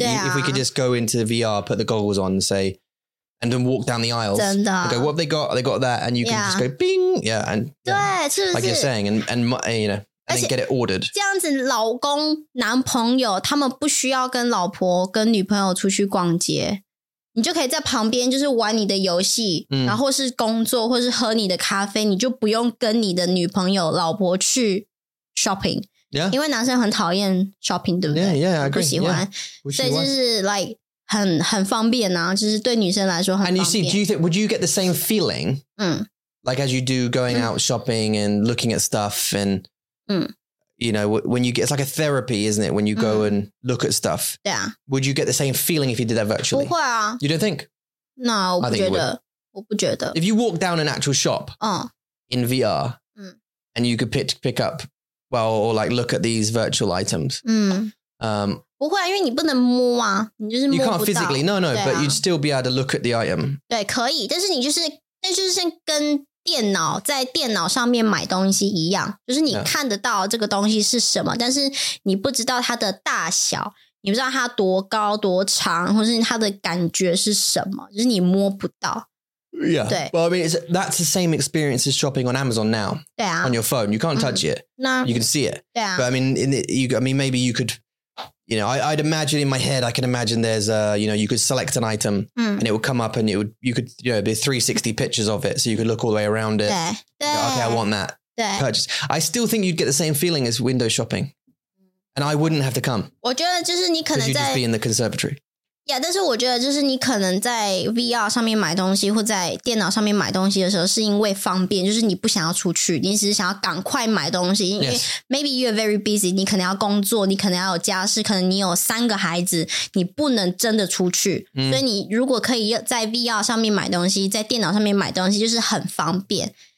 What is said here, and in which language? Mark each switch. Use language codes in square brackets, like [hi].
[en] If we could just go into the VR, put the goggles on and say,and then walk down the aisles. [zh] 真的。 [en] Okay, what have they got? They got that, and you can just go bing. Yeah, and [zh] 对，是不是 [en] like you're saying, and then get it ordered. [zh] 这样子，老公、男朋友他们不需要跟老婆、跟女朋友出去逛街，你就可以在旁边就是玩你的游戏，然后是工作，或是喝你的咖啡，你就不用跟你的女朋友、老婆去 shopping. [en] Yeah, [zh] 因为男生很讨厌 shopping, 对不对 [en] ？Yeah, yeah, I agree. [zh] 不喜欢， [en] yeah. [zh] 所以就是 like. 很方便啊，就是对女生来说很方便。 [en] And you see, do you think, would you get the same feeling? Like as you do going out shopping and looking at stuff and, you know, when you get, it's like a therapy, isn't it? When you go and look at stuff. Yeah. Would you get the same feeling if you did that virtually? [zh] 不会啊。 [en] You don't think? [zh] No, 我不觉得。我不觉得。 [en] If you walk down an actual shop in VR and you could pick up, well, or like look at these virtual items. [zh] 不会啊，因为你不能摸啊，你就是摸不到。 [en] You can't physically, no,、啊、 but you'd still be able to look at the item. [zh] 对，可以，但是你就是，那就是跟电脑在电脑上面买东西一样，就是你看得到这个东西是什么， yeah. 但是你不知道它的大小，你不知道它多高多长，或是它的感觉是什么，就是你摸不到。 [en] Yeah, well, I mean, that's the same experience as shopping on Amazon now. [zh] 对啊。 [en] On your phone, you can't touch it. No. You can see it. [zh] 对啊。 [en] But I mean, maybe you could. You know, I'd imagine in my head, I can imagine there's a, you know, you could select an item and it would come up and it would, you could, you know, there's 360 pictures of it. So you could look all the way around it. Yeah. Okay, I want that. Yeah. Purchase. I still think you'd get the same feeling as window shopping. And I wouldn't have to come. [zh] 我觉得就是你可能在。 [en] Because you'd just be in the conservatory. [zh] Yeah, 但是我觉得就是你可能在 VR 上面买东西或在电脑上面买东西的时候是因为方便，就是你不想要出去，你只是想要赶快买东西，因为 [en] maybe you're very busy, [zh] 你可能要工作，你可能要有家事，可能你有三个孩子，你不能真的出去，所以你如果可以在 VR 上面买东西，在电脑上面买东西就是很方便。